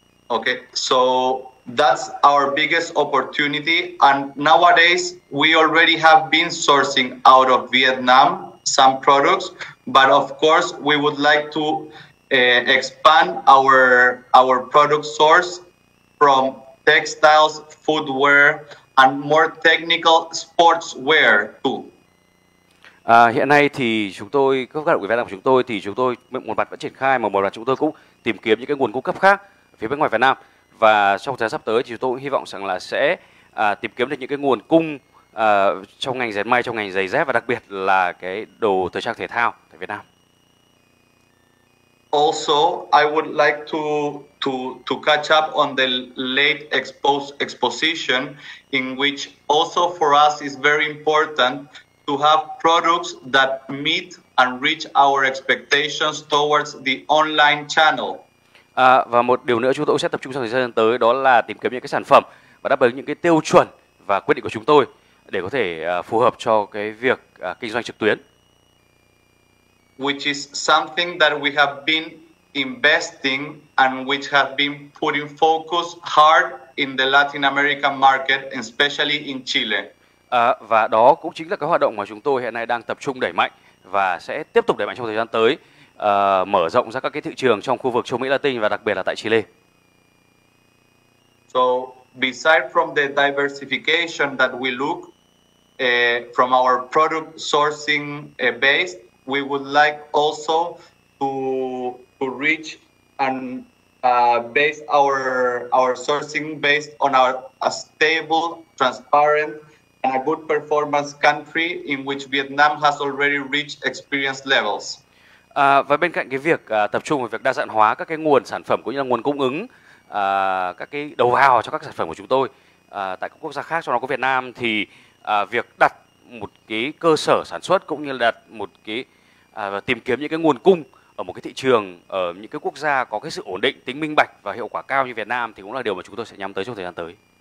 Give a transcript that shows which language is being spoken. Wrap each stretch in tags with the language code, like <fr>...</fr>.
<en>Okay, so that's our biggest opportunity, and nowadays we already have been sourcing out of Vietnam some products, but of course we would like to expand our product source from textiles, footwear, and more technical sportswear too.</en> <vi>Hiện nay thì chúng tôi, các hoạt động của chúng tôi thì chúng tôi một mặt vẫn triển khai, mà một mặt chúng tôi cũng tìm kiếm những cái nguồn cung cấp khác phía bên ngoài Việt Nam. Và trong thời gian sắp tới thì chúng tôi cũng hy vọng rằng là sẽ tìm kiếm được những cái nguồn cung trong ngành dệt may, trong ngành giày dép và đặc biệt là cái đồ thời trang thể thao tại Việt Nam.</vi> <en>Also, I would like to catch up on the late exposition in which also for us is very important to have products that meet and reach our expectations towards the online channel.</en> <vi>Và một điều nữa chúng tôi sẽ tập trung trong thời gian tới đó là tìm kiếm những cái sản phẩm và đáp ứng những cái tiêu chuẩn và quyết định của chúng tôi để có thể phù hợp cho cái việc kinh doanh trực tuyến.</vi> <en>Which is something that we have been investing and which have been putting focus hard in the Latin American market, especially in Chile.</en> <vi>Và đó cũng chính là cái hoạt động mà chúng tôi hiện nay đang tập trung đẩy mạnh và sẽ tiếp tục đẩy mạnh trong thời gian tới, mở rộng ra các cái thị trường trong khu vực châu Mỹ Latin và đặc biệt là tại Chile.</vi> <en>So, beside from the diversification that we look from our product sourcing base, we would like also to reach and base our sourcing based on a stable, transparent and a good performance country in which Vietnam has already reached experience levels.</en> <vi>Và bên cạnh cái việc tập trung vào việc đa dạng hóa các cái nguồn sản phẩm cũng như là nguồn cung ứng các cái đầu vào cho các sản phẩm của chúng tôi tại các quốc gia khác, trong đó có Việt Nam, thì việc đặt một cái cơ sở sản xuất cũng như là đặt một cái và tìm kiếm những cái nguồn cung ở một cái thị trường ở những cái quốc gia có cái sự ổn định, tính minh bạch và hiệu quả cao như Việt Nam thì cũng là điều mà chúng tôi sẽ nhắm tới trong thời gian tới.</vi>